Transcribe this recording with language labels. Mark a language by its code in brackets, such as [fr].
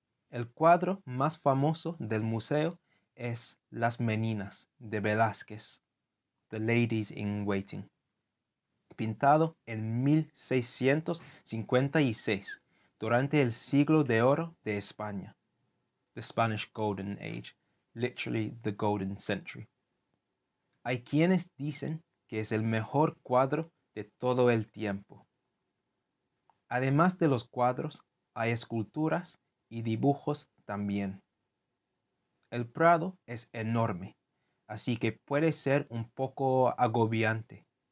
[es] El cuadro más famoso del museo es Las Meninas de Velázquez, [en] The Ladies in Waiting, [es] pintado en 1656, durante el siglo de oro de España. [en] The Spanish Golden Age, literally the Golden Century. [es] Hay quienes dicen que es el mejor cuadro de todo el tiempo. Además de los cuadros, hay esculturas y dibujos también. El Prado es enorme, así que puede ser un poco agobiante.